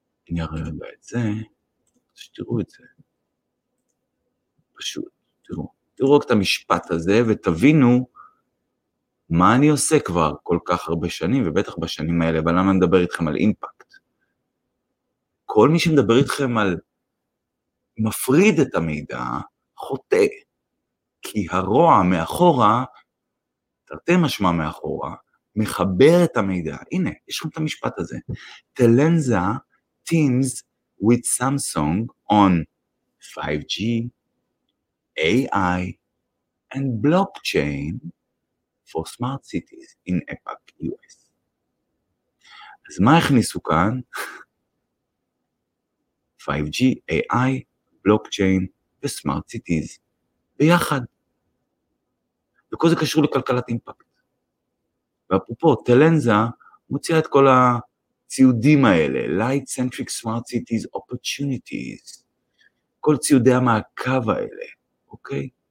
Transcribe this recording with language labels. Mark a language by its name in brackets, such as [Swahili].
[Hebrew] אני אראה רגע את זה, שתראו את זה. פשוט, תראו רק את המשפט הזה, ותבינו מה אני עושה כבר כל כך הרבה שנים, ובטח בשנים האלה, אבל למה אני מדבר איתכם על אימפקט? כל מי שמדבר איתכם על מפריד את המידע, חוטא, כי הרוע מאחורה, תרתי משמע מאחורה, מחבר את המידע. הנה, יש לכם את המשפט הזה. [English] Telenza teams with Samsung on 5G, AI, and blockchain for smart cities in APAC US. [Hebrew] אז מה הכניסו כאן? 5G, AI, בלוקצ'יין וסמארט סיטיז ביחד. וכל זה קשור לכלכלת אימפקט. ואפרופו, טלנזה מוציאה את כל הציודים האלה, [English] light-centric smart cities opportunities, [Hebrew] כל ציודי המעקב האלה, אוקיי?